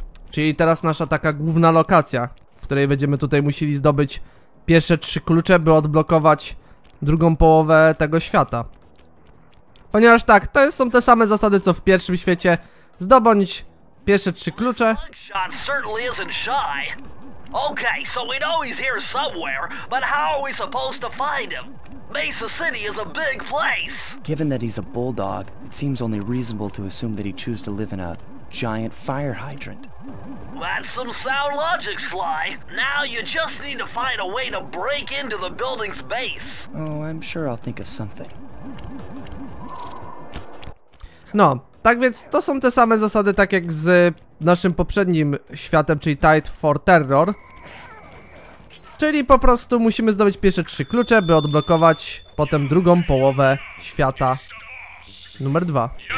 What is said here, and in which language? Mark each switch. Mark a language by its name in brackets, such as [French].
[Polish] Czyli teraz nasza taka główna lokacja, w której będziemy tutaj musieli zdobyć pierwsze trzy klucze, by odblokować drugą połowę tego świata. Ponieważ tak, to są te same zasady, co w pierwszym świecie. Zdobądź pierwsze trzy klucze. [English] Mugshot certainly isn't shy. Okay, so we know he's here somewhere, but how are we supposed to find him? Mesa City is a big place. Given that he's a bulldog, it seems only reasonable to assume that he chose to live in a giant fire hydrant. That's some sound logic, Sly. Now you just need to find a way to break into the building's base. Oh, I'm sure I'll think of something. [Polish] No, tak więc to są te same zasady, tak jak z naszym poprzednim światem, czyli Tide for Terror. Czyli po prostu musimy zdobyć pierwsze trzy klucze, by odblokować potem drugą połowę świata numer dwa.